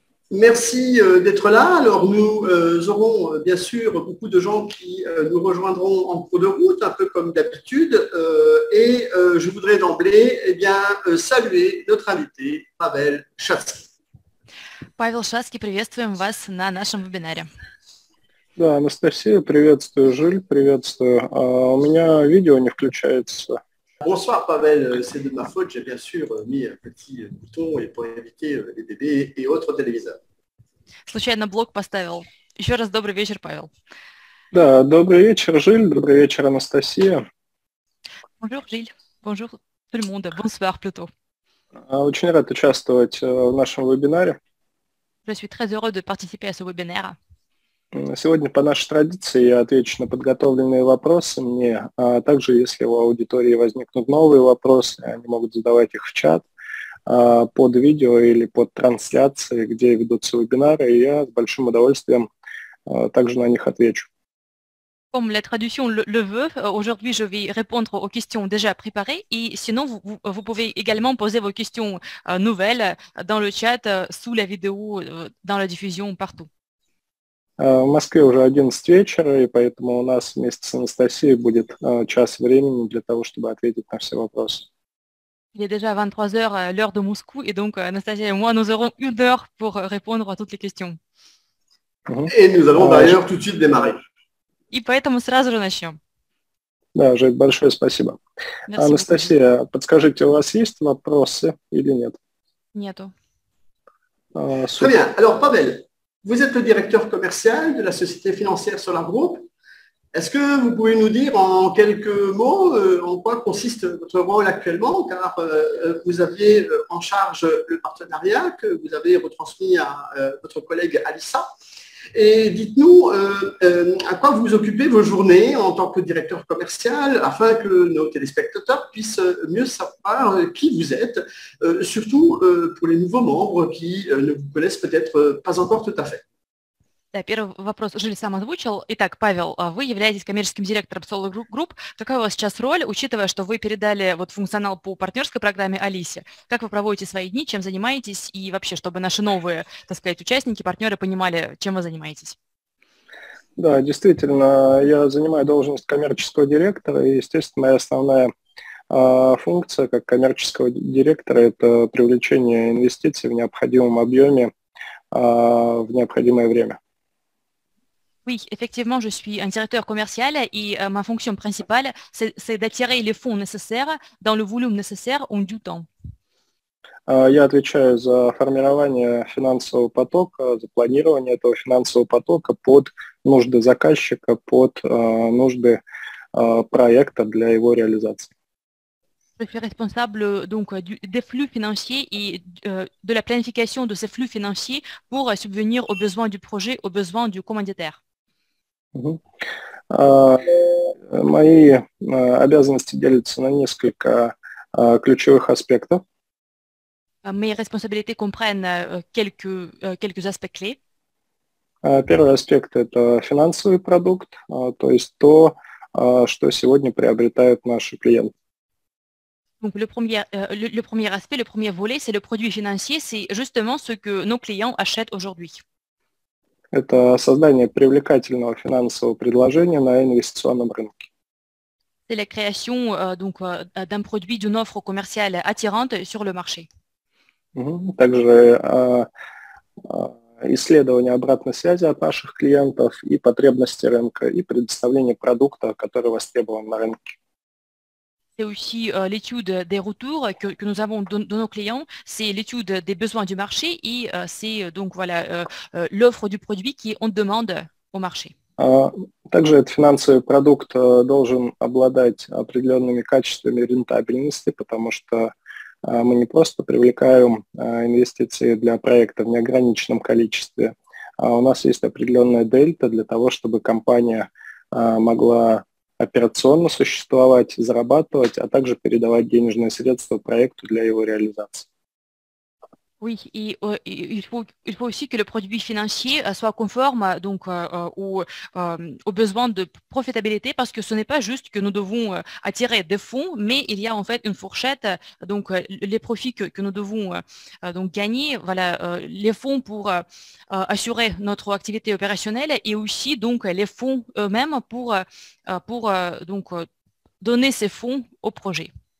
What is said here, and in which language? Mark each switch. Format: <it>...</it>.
<fr>Merci d'être là. Alors, nous aurons bien sûr beaucoup de gens qui nous rejoindront en cours de route, un peu comme d'habitude. Je voudrais d'emblée saluer notre invité, Pavel Chatsky.</fr> <ru>Pavel Chatsky, приветствуем вас на нашем вебинаре. Да, Анастасия, приветствую, Жиль, приветствую. У меня видео не включается.</ru> <fr>Bonsoir Pavel, c'est de ma faute, j'ai bien sûr mis un petit bouton pour éviter les bébés et autres téléviseurs.</fr> <ru>Случайно блок поставил. Еще раз добрый вечер, Павел. Да, добрый вечер, Жиль, добрый вечер, Анастасия.</ru> <fr>Bonjour Жиль, bonjour tout le monde, bonsoir plutôt.</fr> <ru>Очень рад участвовать в нашем вебинаре.</ru> <fr>Je suis très heureux de participer à ce webinaire.</fr> <ru>Сегодня, по нашей традиции, я отвечу на подготовленные вопросы мне, а также, если у аудитории возникнут новые вопросы, они могут задавать их в чат под видео или под трансляцией, где ведутся вебинары, и я с большим удовольствием также на них отвечу.</ru> <fr>Comme la traduction le veut, aujourd'hui je vais répondre aux questions déjà préparées et sinon vous pouvez également poser vos questions nouvelles dans le chat, sous la vidéo, dans la diffusion, partout.</fr> <ru>В Москве уже 11 вечера, и поэтому у нас вместе с Анастасией будет час времени для того, чтобы ответить на все вопросы.</ru> <fr>Il est déjà 23h, l'heure de Moscou, et donc Anastasia et moi, nous aurons une heure pour répondre à toutes les questions. Et nous allons d'ailleurs tout de suite démarrer.</fr> <ru>И поэтому сразу же начнем. Да, Жень, большое спасибо.</ru> <fr>Merci Анастасия, beaucoup.</fr> <ru>Подскажите, у вас есть вопросы или нет? Нету.</ru> <fr>Très bien. Alors, Павел. Vous êtes le directeur commercial de la société financière Solar Group. Est-ce que vous pouvez nous dire en quelques mots en quoi consiste votre rôle actuellement, car vous aviez en charge le partenariat que vous avez retransmis à votre collègue Alissa. Et dites-nous à quoi vous occupez vos journées en tant que directeur commercial afin que nos téléspectateurs puissent mieux savoir qui vous êtes, surtout pour les nouveaux membres qui ne vous connaissent peut-être pas encore tout à fait.</fr> <ru>Да, первый вопрос Жиль сам озвучил. Итак, Павел, вы являетесь коммерческим директором Solar Group. Какая у вас сейчас роль, учитывая, что вы передали вот функционал по партнерской программе Алисе? Как вы проводите свои дни, чем занимаетесь и вообще, чтобы наши новые, так сказать, участники, партнеры понимали, чем вы занимаетесь? Да, действительно, я занимаю должность коммерческого директора, и, естественно, моя основная функция как коммерческого директора – это привлечение инвестиций в необходимом объеме в необходимое время.</ru> <fr>Oui, effectivement, je suis un directeur commercial et ma fonction principale, c'est d'attirer les fonds nécessaires dans le volume nécessaire en due temps.</fr> <ru>Я отвечаю за формирование финансового потока, за планирование этого финансового потока под нужды заказчика, под нужды проекта для его реализации.</ru> <fr>Je suis responsable donc des flux financiers et de la planification de ces flux financiers pour subvenir aux besoins du projet, aux besoins du commanditaire.</fr> <ru>Мои обязанности делятся на несколько ключевых аспектов.</ru> <fr>Mes responsabilités comprennent quelques aspects clés.</fr> <ru>Первый аспект – это финансовый продукт, то есть то, что сегодня приобретают наши клиенты.</ru> <fr>Donc le premier aspect, le premier volet, c'est le produit financier, c'est justement ce que nos clients achètent aujourd'hui.</fr> <ru>Это создание привлекательного финансового предложения на инвестиционном рынке.</ru> <fr>C'est la création donc d'un produit, d'une offre commerciale attirante sur le marché.</fr> <ru>Также исследование обратной связи от наших клиентов и потребности рынка и предоставление продукта, который востребован на рынке.</ru> <fr>C'est aussi l'étude des retours que nous avons de nos clients, c'est l'étude des besoins du marché et c'est donc voilà l'offre du produit qui est en demande au marché.</fr> <ru>Также этот финансовый продукт должен обладать определенными качествами рентабельности, потому что мы не просто привлекаем инвестиции для проекта в неограниченном количестве, а у нас есть определенная дельта для того, чтобы компания могла операционно существовать, зарабатывать, а также передавать денежные средства проекту для его реализации.</ru> <fr>Oui, et il faut aussi que le produit financier soit conforme donc aux besoins de profitabilité, parce que ce n'est pas juste que nous devons attirer des fonds, mais il y a en fait une fourchette, donc les profits que nous devons donc gagner, voilà, les fonds pour assurer notre activité opérationnelle, et aussi donc les fonds eux-mêmes pour donc donner ces fonds au projet.</fr>